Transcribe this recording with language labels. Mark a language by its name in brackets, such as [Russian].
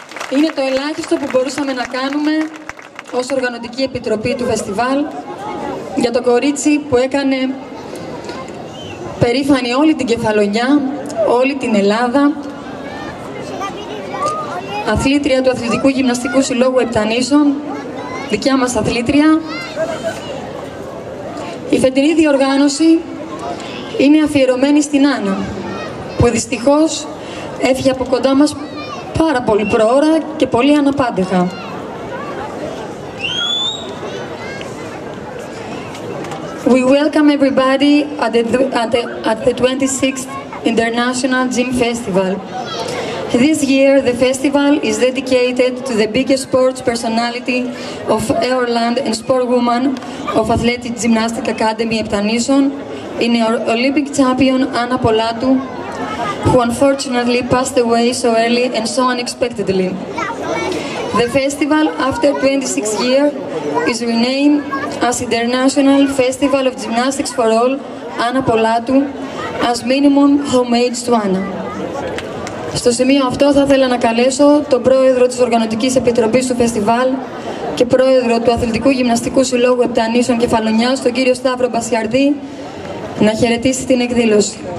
[Greek] Είναι το ελάχιστο που μπορούσαμε να κάνουμε ως Οργανωτική Επιτροπή του Φεστιβάλ για το κορίτσι που έκανε περήφανη όλη την Κεφαλονιά, όλη την Ελλάδα, αθλήτρια του Αθλητικού Γυμναστικού Συλλόγου Επτανήσων, δικιά μας αθλήτρια. Η φετινή διοργάνωση είναι αφιερωμένη στην Άννα, που δυστυχώς έφυγε από κοντά μας πάρα πολύ προώρα και πολύ αναπάντεχα. [English] We welcome everybody at the 26th International Gym Festival. This year, the festival is dedicated to the biggest sports personality of our land and sportwoman of Athletic Gymnastic Academy Epitanison, in our Olympic champion Anna Polatou, who unfortunately passed away so early and so unexpectedly. The festival, after 26 years, is renamed as International Festival of Gymnastics for All, Anna Polatou, as minimum homage to Anna. [Greek] Στο σημείο αυτό θα ήθελα να καλέσω τον πρόεδρο της Οργανωτικής Επιτροπής του Φεστιβάλ και πρόεδρο του Αθλητικού Γυμναστικού Συλλόγου Επτανήσων Κεφαλονιάς, τον κύριο Σταύρο Μπασιαρδί, να χαιρετήσει την εκδήλωση.